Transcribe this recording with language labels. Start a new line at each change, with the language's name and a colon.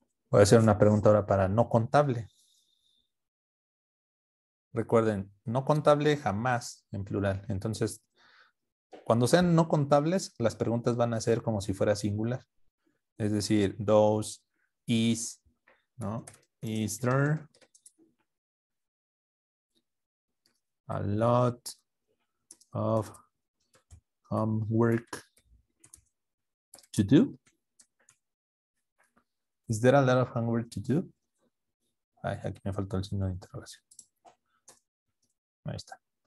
Spanish: Voy a hacer una pregunta ahora para no contable. Recuerden, no contable jamás en plural. Entonces, cuando sean no contables, las preguntas van a ser como si fuera singular. Es decir, those, is, ¿no?
English: Is there a lot of homework to do? Is there a lot of homework to do?
Spanish: Ay, aquí me faltó el signo de interrogación. Ahí está.